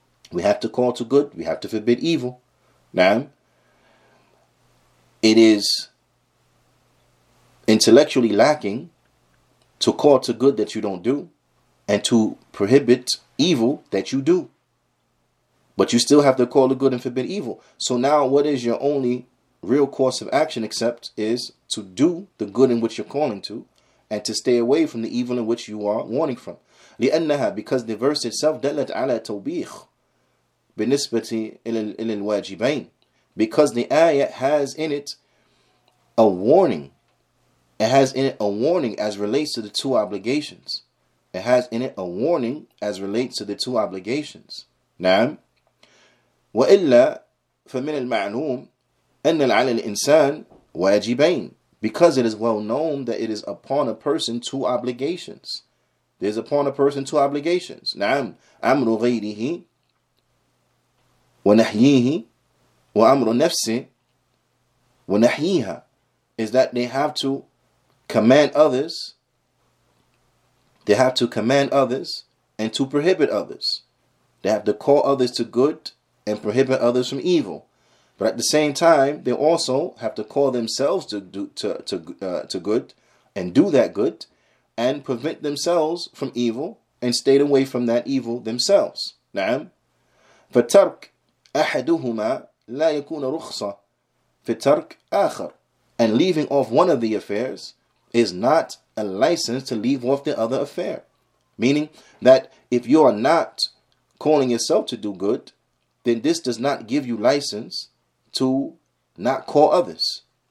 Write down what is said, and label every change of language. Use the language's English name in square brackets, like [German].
[English] We have to call to good. We have to forbid evil. Now, it is intellectually lacking to call to good that you don't do, and to prohibit evil that you do. But you still have to call to good and forbid evil. So now, what is your only real course of action except is to do the good in which you're calling to, and to stay away from the evil in which you are warning from? [Arabic] لأنها, [English] because the verse itself [Arabic] دلت على توبيخ بالنسبة إلى الواجبين. [English] Because the ayah has in it a warning. It has in it a warning as relates to the two obligations. It has in it a warning as relates to the two obligations. نعم. [Arabic] وإلا فمن المعلوم أن على الإنسان واجبين. [English] Because it is well known that it is upon a person two obligations. There's upon a person two obligations. نعم. [Arabic] أمر غيره ونحييه وأمر نفسه ونحييها. [English] Is that they have to command others. They have to command others and to prohibit others. They have to call others to good and prohibit others from evil. But at the same time, they also have to call themselves to good and do that good and prevent themselves from evil and stay away from that evil themselves. [Arabic] نعم. فترك أحدهما لا يكون رخصة في ترك آخر. [English] And leaving off one of the affairs is not a license to leave off the other affair. Meaning that if you are not calling yourself to do good, then this does not give you license to not call others.